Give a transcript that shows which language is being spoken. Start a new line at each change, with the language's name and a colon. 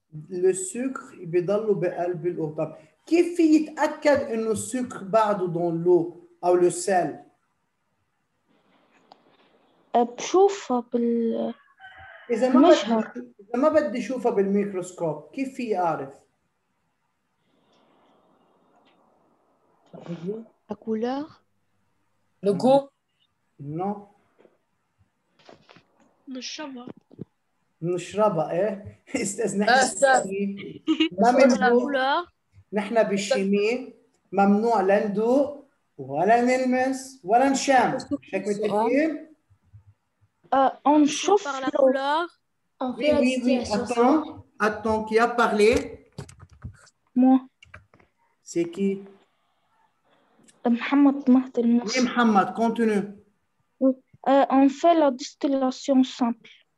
French: Le sucre est dans l'eau, l'eau. Qui fait
Arabic: يتأكد انه السكر بعده
French: dans l'eau ou le sel?
Arabic: بشوفها بال اذا ما بدي اشوفها بالميكروسكوب كيف في اعرف؟
French: La couleur? Le goût? Non.
Arabic: نشربها نشربها ايه استاذ نحن ما من الكولور نحن بالشيمي ممنوع لا ندوق ولا نلمس ولا نشم هيك متفقين
French: on chauffe par la couleur on fait la distinction attends qui a parlé moi c'est qui Mohamed Mahdi Mohamed oui Mohamed continue on fait la distillation simple